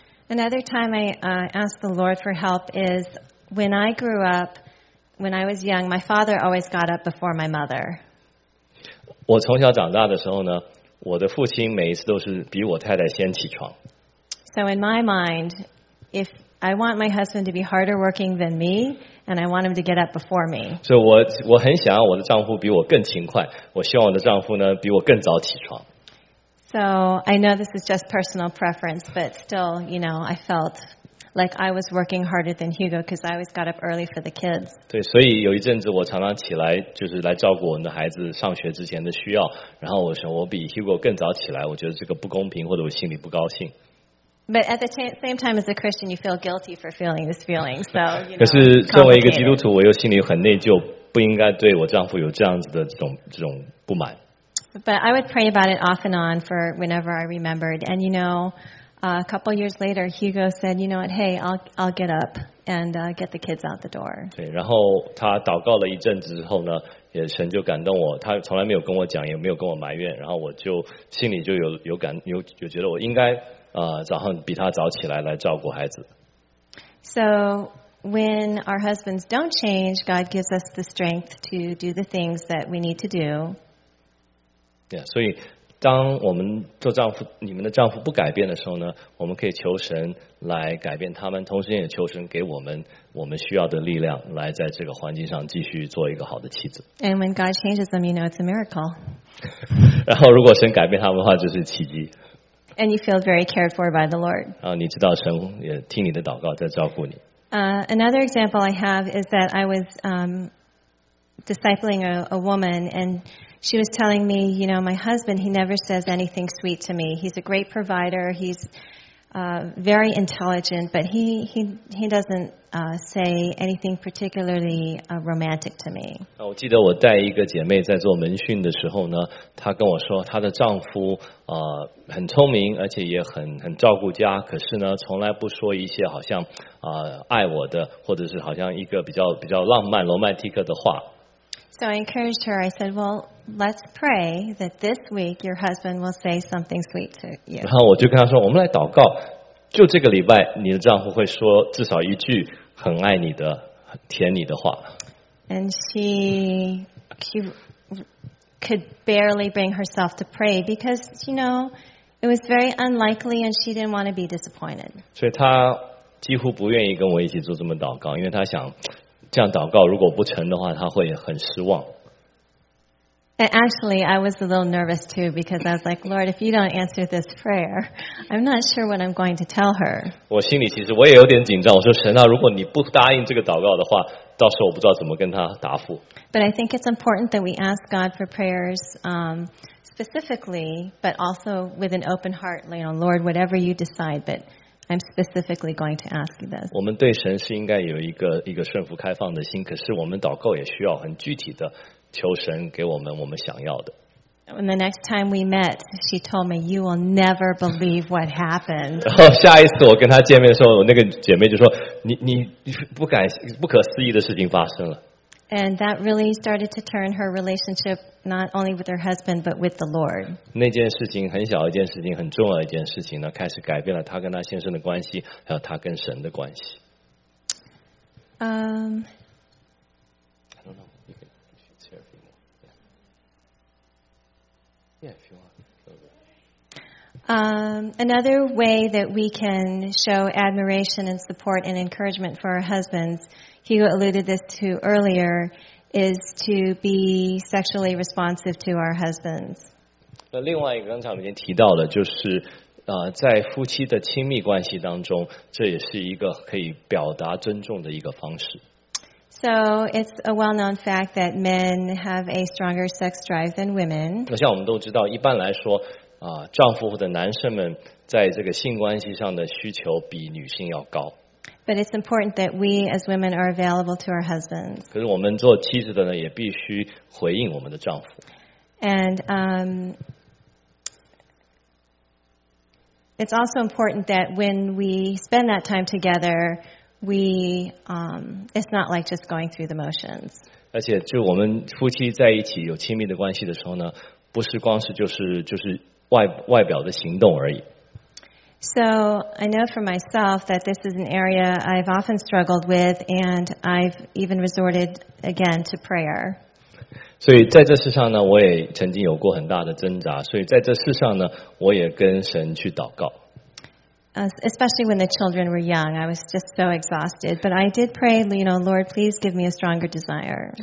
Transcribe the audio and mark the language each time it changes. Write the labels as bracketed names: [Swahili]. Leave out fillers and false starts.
[English] Another time I asked the Lord for help is when I grew up, when I was young, my father always got up before my mother. [Chinese] 我从小长大的时候呢，我的父亲每一次都是比我太太先起床。 [English] So in my mind, if I want my husband to be harder working than me,And I want him to get up before me. [Chinese] So, 我很想要我的丈夫比我更勤快。我希望我的丈夫呢比我更早起床。 [English] So, I know this is just personal preference, but still, you know, I felt like I was working harder than Hugo because I always got up early for the kids. [Chinese] 对，所以有一阵子我常常起来就是来照顾我们的孩子上学之前的需要。然后我说我比 Hugo 更早起来，我觉得这个不公平，或者我心里不高兴。 [English] But at the same time as a Christian, you feel guilty for feeling this feeling. So, [Chinese] 可是作为一个基督徒，我又心里很内疚，不应该对我丈夫有这样子的这种不满。 [English] But I would pray about it off and on for whenever I remembered. And you know, a couple years later, Hugo said, "You know what? Hey, I'll get up and get the kids out the door. [Chinese] 对，然后他祷告了一阵子之后呢，也神就感动我，他从来没有跟我讲，也没有跟我埋怨，然后我就心里就有觉得我应该早上比他早起来来照顾孩子。 [English] So when our husbands don't change, God gives us the strength to do the things that we need to do. [Chinese] Yeah, 所以当我们做丈夫，你们的丈夫不改变的时候呢，我们可以求神来改变他们，同时也求神给我们需要的力量，来在这个环境上继续做一个好的妻子。 [English] And when God changes them, you know it's a miracle. [Chinese] 然后如果神改变他们的话，就是奇迹。 [English] And you feel very cared for by the Lord. [Chinese] 然后你知道神也听你的祷告，在照顾你。 [English] Another example I have is that I was discipling a woman and she was telling me, you know, my husband, he never says anything sweet to me. He's a great provider. He's very intelligent, but he doesn't say anything particularly romantic to me. [Chinese] 我记得我带一个姐妹在做门训的时候呢，她跟我说她的丈夫很聪明，而且也很照顾家，可是呢，从来不说一些好像爱我的，或者是好像一个比较浪漫 romantic 的话。 [English] So I encouraged her. I said, "Well, let's pray that this week your husband will say something sweet to you." [Chinese] 然后我就跟他说，我们来祷告，就这个礼拜，你的丈夫会说至少一句很爱你的、甜你的话。 [English] And she could barely bring herself to pray because, you know, it was very unlikely, and she didn't want to be disappointed. [Chinese] 所以她几乎不愿意跟我一起做这么祷告，因为她想。这样祷告如果不成的话，他会很失望。 [English] And actually, I was a little nervous too because I was like, Lord, if you don't answer this prayer, I'm not sure what I'm going to tell her. [Chinese] 我心里其实我也有点紧张。我说神啊，如果你不答应这个祷告的话，到时候我不知道怎么跟他答复。 [English] But I think it's important that we ask God for prayers, specifically, but also with an open heart. You know, Lord, whatever you decide, but. I'm specifically going to ask you this. [Chinese] 我们对神是应该有一个顺服开放的心，可是我们祷告也需要很具体的求神给我们我们想要的。 [English] And the next time we met, she told me, "You will never believe what happened." [Chinese] 然后下一次我跟她见面的时候，我那个姐妹就说，你不可思议的事情发生了。 [English] And that really started to turn her relationship not only with her husband but with the Lord. [Chinese] 那件事情很小一件事情，很重要一件事情呢，开始改变了她跟她先生的关系，还有她跟神的关系。 [English] I don't know. You can share a few more. Yeah, if you want. Another way that we can show admiration and support and encouragement for our husbands, Hugo alluded this to earlier, is to be sexually responsive to our husbands. [Chinese] 那另外一个刚才我们已经提到了，就是在夫妻的亲密关系当中，这也是一个可以表达尊重的一个方式。 [English] So it's a well-known fact that men have a stronger sex drive than women. [Chinese] 像我们都知道，一般来说丈夫或者男生们在这个性关系上的需求比女性要高。 [English] But it's important that we as women are available to our husbands. [Chinese] 可是我们做妻子的呢，也必须回应我们的丈夫。 [English] And it's also important that when we spend that time together, it's not like just going through the motions. [Chinese] 而且，就我们夫妻在一起有亲密的关系的时候呢，不是光是就是外表的行动而已。 [English] So I know for myself that this is an area I've often struggled with, and I've even resorted again to prayer. [Chinese] 所以在这世上呢，我也曾经有过很大的挣扎。所以在这世上呢，我也跟神去祷告。 [English] Especially when the children were young, I was just so exhausted. But I did pray, you know, Lord, please give me a stronger desire.